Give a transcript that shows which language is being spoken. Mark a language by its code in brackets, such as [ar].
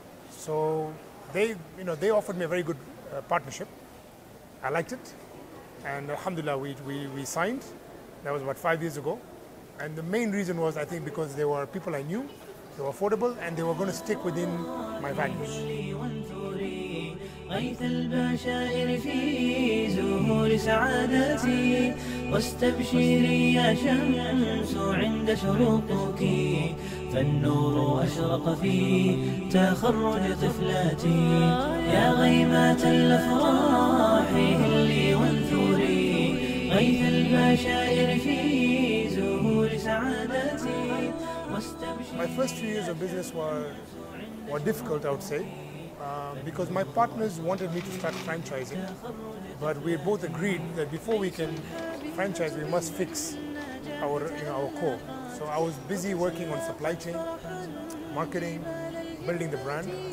[en] So they offered me a very good partnership. I liked it. And alhamdulillah, we signed. That was about 5 years ago. And the main reason was, I think, because they were people I knew, they were affordable, and they were going to stick within my values. [ar] غيث البشائر في زهور سعادتي واستبشري يا شمس عند شروقك فالنور أشرق في تخرج طفلاتي يا غيمات الأفراح هلي وانثوري غيث البشائر في زهور سعادتي واستبشري. [en] My first few years of business were difficult, I would say. Because my partners wanted me to start franchising, but we both agreed that before we can franchise, we must fix our core. So I was busy working on supply chain, marketing, building the brand.